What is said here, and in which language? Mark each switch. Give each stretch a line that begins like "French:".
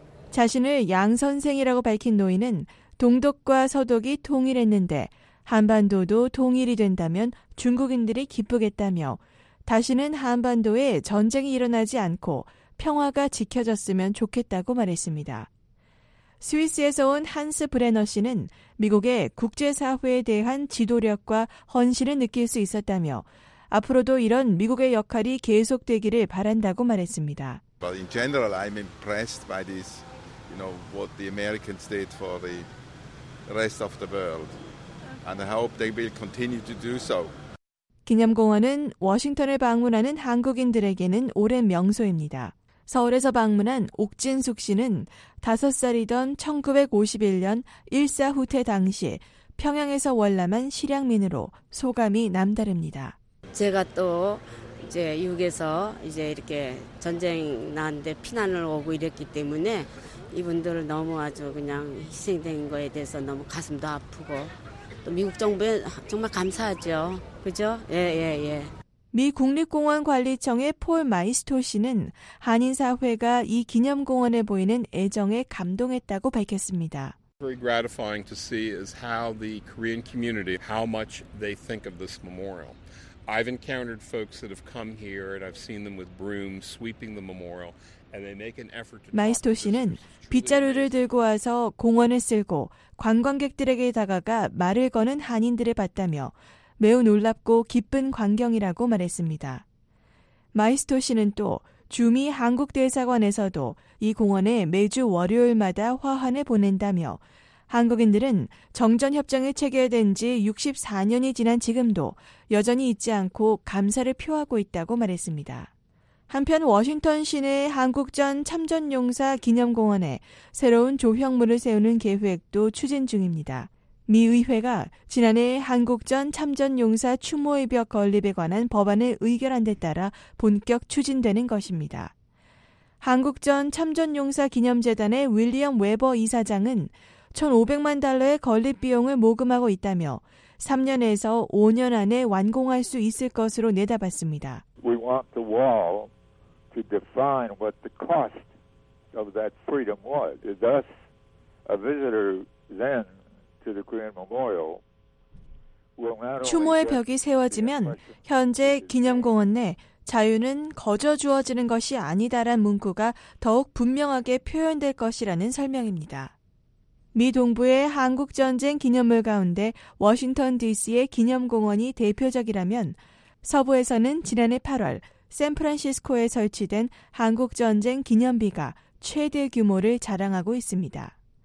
Korean: 자신을 양선생이라고 밝힌 노인은 동독과 서독이 통일했는데 한반도도 통일이 된다면 중국인들이 기쁘겠다며 다시는 한반도에 전쟁이 일어나지 않고 평화가 지켜졌으면 좋겠다고 말했습니다. 스위스에서 온 한스 브레너 씨는 미국의 국제사회에 대한 지도력과 헌신을 느낄 수 있었다며 앞으로도 이런 미국의 역할이 계속되기를 바란다고 말했습니다.
English: But in general, I'm impressed by this. You know what the Americans did for the rest of the world, and I hope they will continue to do so.
Korean: 기념공원은 워싱턴을 방문하는 한국인들에게는 오랜 명소입니다. 서울에서 방문한 옥진숙 씨는 5살이던 1951년 일사 후퇴 당시 평양에서 월남한 실향민으로 소감이 남다릅니다. 제가 또 이제 6에서 이제 이렇게 전쟁 나는데 피난을 오고 이랬기 때문에 이분들을 너무 아주 그냥 희생된 거에 대해서 너무 가슴도 아프고 또 미국 정부에 정말 감사하죠. 그죠? 예예 예. 미 국립공원관리청의 폴 마이스토 씨는 한인사회가 이 기념공원에 보이는 애정에 감동했다고 밝혔습니다.
English: Very gratifying to see is how the Korean community, how much they think of this memorial. I've encountered folks that have come here and I've seen them with brooms sweeping the memorial.
Korean: 마이스토 씨는 빗자루를 들고 와서 공원을 쓸고 관광객들에게 다가가 말을 거는 한인들을 봤다며 매우 놀랍고 기쁜 광경이라고 말했습니다. 마이스토 씨는 또 주미 한국대사관에서도 이 공원에 매주 월요일마다 화환을 보낸다며 한국인들은 정전협정이 체결된 지 64년이 지난 지금도 여전히 잊지 않고 감사를 표하고 있다고 말했습니다. 한편 워싱턴 시내 한국전 참전용사 기념공원에 새로운 조형물을 세우는 계획도 추진 중입니다. 미 의회가 지난해 한국전 참전용사 추모의 벽 건립에 관한 법안을 의결한 데 따라 본격 추진되는 것입니다. 한국전 참전용사 기념재단의 윌리엄 웨버 이사장은 1,500만 달러의 건립 비용을 모금하고 있다며 3년에서 5년 안에 완공할 수 있을 것으로 내다봤습니다.
English: We want the wall to define what the cost of that freedom was. Thus, a visitor then to the Korean Memorial will not only.
Korean: 추모의 벽이 세워지면 현재 기념공원 내 자유는 거저 주어지는 것이 아니다란 문구가 더욱 분명하게 표현될 것이라는 설명입니다. 미 동부의 한국전쟁 기념물 가운데 워싱턴 DC의 기념공원이 대표적이라면 서부에서는 지난해 8월 샌프란시스코에 설치된 한국전쟁 기념비가 최대 규모를 자랑하고 있습니다.